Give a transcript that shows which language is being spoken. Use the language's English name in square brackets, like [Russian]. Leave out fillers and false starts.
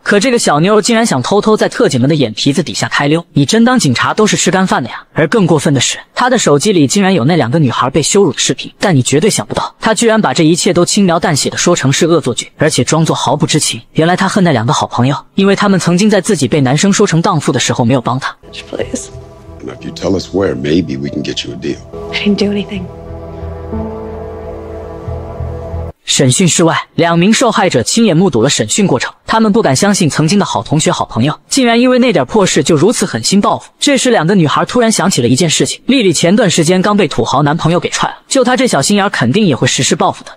[Chinese] 可这个小妞竟然想偷偷在特警们的眼皮子底下开溜，你真当警察都是吃干饭的呀？而更过分的是，他的手机里竟然有那两个女孩被羞辱的视频，但你绝对想不到，他居然把这一切都轻描淡写的说成是恶作剧，而且装作毫不知情。原来他恨那两个好朋友，因为他们曾经在自己被男生说成荡妇的时候没有帮他。 [English] Please. If you tell us where, maybe we can get you a deal. I didn't do anything. [Chinese] 审讯室外，两名受害者亲眼目睹了审讯过程，他们不敢相信曾经的好同学好朋友竟然因为那点破事就如此狠心报复。这时两个女孩突然想起了一件事情，莉莉前段时间刚被土豪男朋友给踹了，就她这小心眼肯定也会实施报复的。